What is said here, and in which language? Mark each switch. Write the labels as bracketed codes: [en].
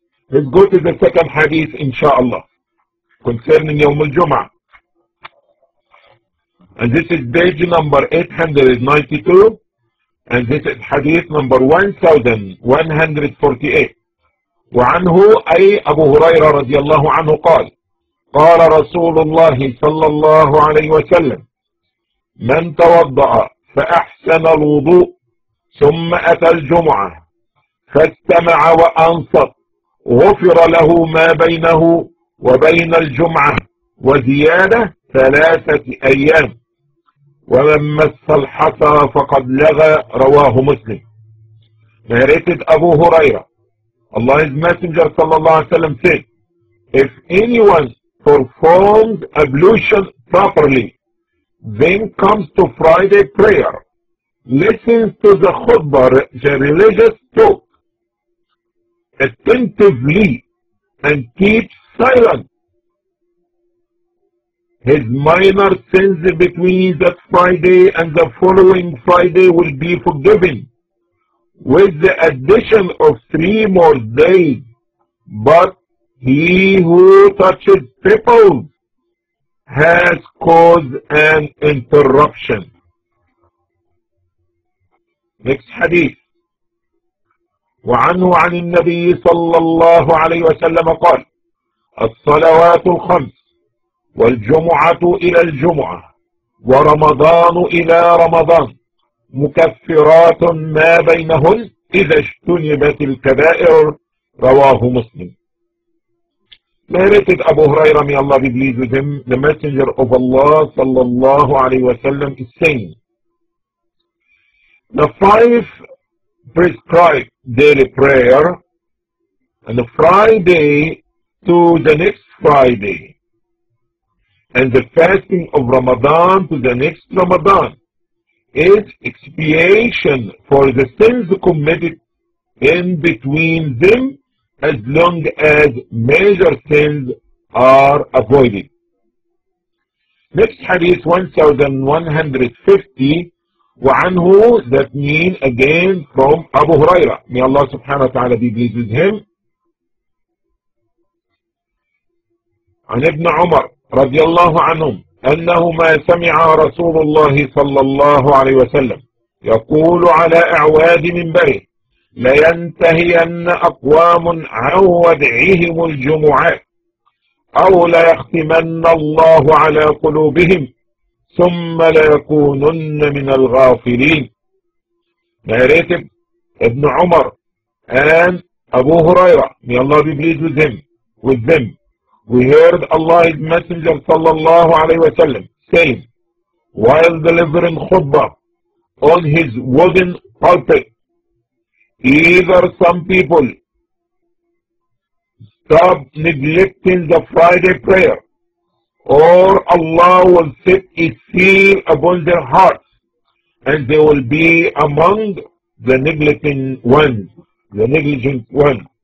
[en] Let's go to the second hadith, inshaAllah, concerning Yawm al-Jum'ah. And this is page number 892 and this is hadith number 1148. [ar] وعنه أي أبو هريرة رضي الله عنه قال قال رسول الله صلى الله عليه وسلم من توضأ فأحسن الوضوء ثم أتى الجمعة فاستمع وأنصت غفر له ما بينه وبين الجمعة وزيادة ثلاثة أيام ومن مس الحصى فقد لغى رواه مسلم. [en] Narrated أبو هريرة. Allah's Messenger [ar] صلى الله عليه وسلم [en] said, if anyone performs ablution properly, then comes to Friday prayer, listens to the khutbah, the religious talk, attentively, and keeps silent, his minor sins between that Friday and the following Friday will be forgiven, with the addition of 3 more days. But he who touches people has caused an interruption. Next hadith. [ar] وعنه عن النبي صلى الله عليه وسلم قال الصلوات الخمس والجمعة إلى الجمعة ورمضان إلى رمضان مكفرات ما بينهن إذا اجتنبت الكبائر رواه مسلم. [en] Narrated أبو هريرة may Allah be pleased with him, the messenger of Allah [ar] صلى الله عليه وسلم [en] is saying the 5 prescribed daily prayer and the Friday to the next Friday and the fasting of Ramadan to the next Ramadan is expiation for the sins committed in between them as long as major sins are avoided. Next hadith 1150 وعنه, that mean again from Abu Huraira, may Allah subhanahu wa ta'ala be pleased with him. [ar] عن ابن عمر رضي الله عنهم أنهما سمع رسول الله صلى الله عليه وسلم يقول على أعواد من بره لينتهين أقوام عن ودعهم الجمعات أو ليختمن الله على قلوبهم ثم ليكونن من الغافلين. [en] Narrated ابن عمر and أبو هريرة may Allah be pleased with him, with them. We heard Allah's Messenger sallallahu alayhi wa sallam saying, while delivering khutbah on his wooden pulpit, either some people stop neglecting the Friday prayer, or Allah will set a seal upon their hearts, and they will be among the neglecting ones, the negligent ones.